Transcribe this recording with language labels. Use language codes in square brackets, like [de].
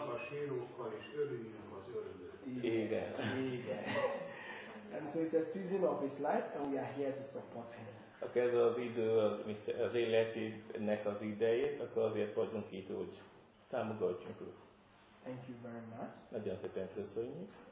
[hu] A sírókkal és örömmel az örömmel. Igen. Igen. [en] And so it's a season of his life, and we are here to support him. [hu] Akkor ez az idő az életének az ideje, akkor azért vagyunk itt, hogy támogatjunk őt. [en] Thank you very much. [hu] Nagyon szépen köszönjük.